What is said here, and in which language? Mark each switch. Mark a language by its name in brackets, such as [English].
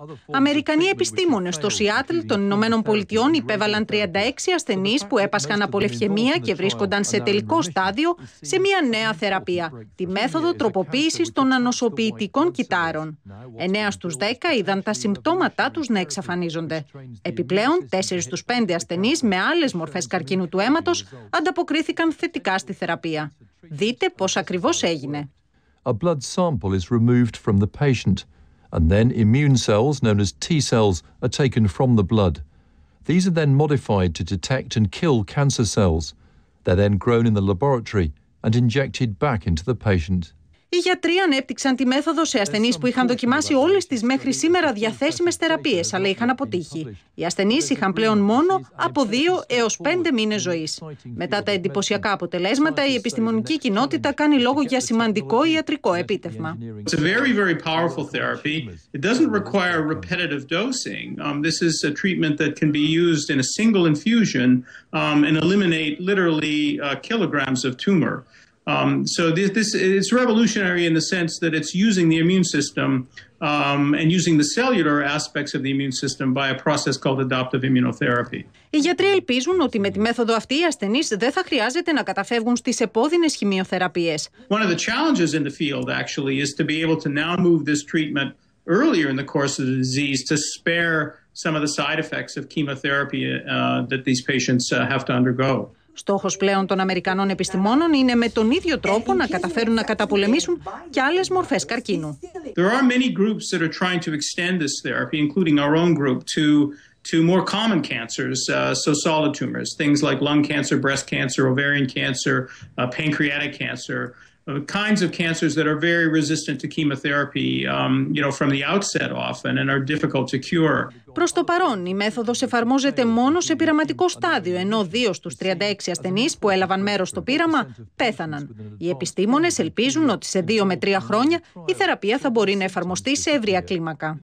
[Greek] Αμερικανοί επιστήμονες στο Σιάτλ των Ηνωμένων Πολιτειών υπέβαλαν 36 ασθενείς που έπασχαν από λευχαιμία και βρίσκονταν σε τελικό στάδιο σε μια νέα θεραπεία, τη μέθοδο τροποποίησης των ανοσοποιητικών κυττάρων. 9 στους 10 είδαν τα συμπτώματά τους να εξαφανίζονται. Επιπλέον, 4 στους 5 ασθενείς με άλλες μορφές καρκίνου του αίματος ανταποκρίθηκαν θετικά στη θεραπεία. Δείτε πώς ακριβώς έγινε. [English] A blood sample is removed from the patient. And then immune cells, known as T cells, are taken from the blood. These are then modified to detect and kill cancer cells. They're then grown in the laboratory and injected back into the patient. [Greek] Οι γιατροί ανέπτυξαν τη μέθοδο σε ασθενείς που είχαν δοκιμάσει όλες τις μέχρι σήμερα διαθέσιμες θεραπείες, αλλά είχαν αποτύχει. Οι ασθενείς είχαν πλέον μόνο από 2 έως 5 μήνες ζωής. Μετά τα εντυπωσιακά αποτελέσματα, η επιστημονική κοινότητα κάνει λόγο για σημαντικό ιατρικό επίτευγμα. [English] It's a very, very powerful therapy. It doesn't require repetitive dosing. This is a treatment that can be used in a single infusion and eliminate literally kilograms of tumor. So it's revolutionary in the sense that it's using the immune system and using the cellular aspects of the immune system by a process called adaptive immunotherapy. [Greek] Οι γιατροί ελπίζουν ότι με τη μέθοδο αυτή οι ασθενείς δεν θα χρειάζεται να καταφεύγουν στις επώδυνες χημειοθεραπείες. [English] One of the challenges in the field actually is to be able to now move this treatment earlier in the course of the disease to spare some of the side effects of chemotherapy that these patients have to undergo. [Greek] Στόχος πλέον των Αμερικανών επιστημόνων είναι με τον ίδιο τρόπο να καταφέρουν να καταπολεμήσουν και άλλες μορφές καρκίνου. [English] There are many groups that are trying to extend this therapy, including our own group, to more common cancers, so solid tumors, things like lung cancer, breast cancer, ovarian cancer, pancreatic cancer, kinds of cancers that are very resistant to chemotherapy, from the outset often and are difficult to cure. [Greek] Προς το παρόν, η μέθοδος εφαρμόζεται μόνο σε πειραματικό στάδιο, ενώ 2 στους 36 ασθενείς που έλαβαν μέρος στο πείραμα πέθαναν. Οι επιστήμονες ελπίζουν ότι σε 2 με 3 χρόνια η θεραπεία θα μπορεί να εφαρμοστεί σε ευρεία κλίμακα.